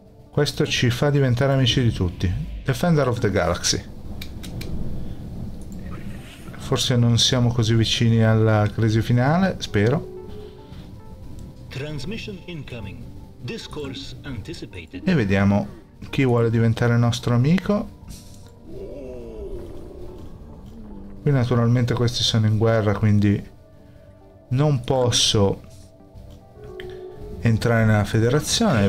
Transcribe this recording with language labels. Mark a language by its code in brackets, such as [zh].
[it] Questo ci fa diventare amici di tutti. [en] Defender of the Galaxy. [it] Forse non siamo così vicini alla crisi finale, spero. [en] Transmission incoming. Discourse anticipated. [it] E vediamo chi vuole diventare nostro amico. Qui naturalmente questi sono in guerra, quindi non posso entrare nella federazione.